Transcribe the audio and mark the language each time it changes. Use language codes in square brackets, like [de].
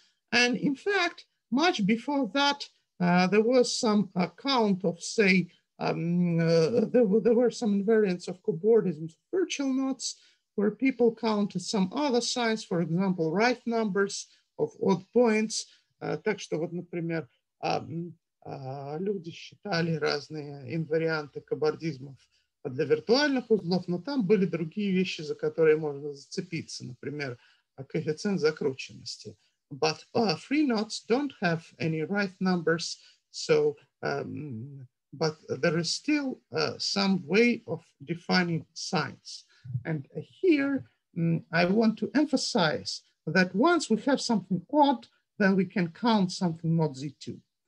[en] And in fact, much before that, there was some account of say, there were some invariants of cobordisms, virtual knots, where people counted some other signs, for example, right numbers of odd points. [ru] Так что вот, например, люди считали разные инварианты кобордизмов для виртуальных узлов, но там были другие вещи, за которые можно зацепиться, например, коэффициент закрученности. [en] but free nodes don't have any right numbers. So, but there is still some way of defining signs. And here I want to emphasize that once we have something odd, then we can count something mod Z2.